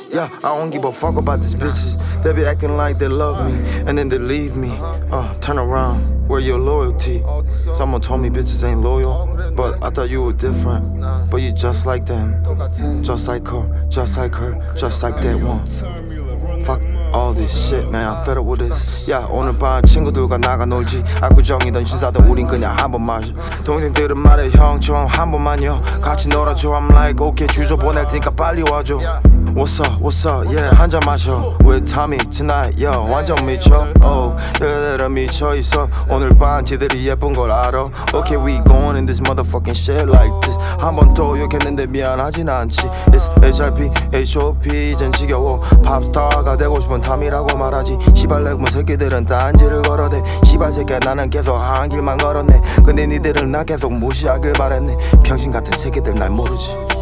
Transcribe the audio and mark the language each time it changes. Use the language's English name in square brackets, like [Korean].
[English] Yeah, I don't give a fuck about these bitches. They be acting like they love me, and then they leave me. Turn around, where your loyalty? Someone told me bitches ain't loyal, but I thought you were different. But you just like them, just like her, just like her, just like that one. Fuck all this shit, man. I'm fed up with this. [Korean] Yeah, 오늘 밤 친구들과 나가 놀지. 아구정이던 신사들 우린 그냥 한 번만. 동생들은 말해, 형, 좀 한 번만요. 같이 놀아줘. [English] I'm like, okay, [Korean] 주소 보낼 테니까 빨리 와줘. [English] What's up, what's up, yeah, [Korean] 한 잔 마셔. [English] With Tommy tonight, yo, [Korean] 완전 미쳐. Oh, 얘들아 미쳐 있어. 오늘 밤 지들이 예쁜 걸 알아. [English] Okay, we going in this motherfucking shit like this. [Korean] 한 번 더 욕했는데 미안하진 않지. [English] It's HIP, HOP, [Korean] 이젠 지겨워. Popstar가 되고 싶은 Tommy라고 말하지. 시발 내 몸 새끼들은 딴지를 걸어대. 시발 새끼야, 나는 계속 한 길만 걸었네. 근데 니들은 나 계속 무시하길 바랬네. 병신 같은 새끼들 날 모르지.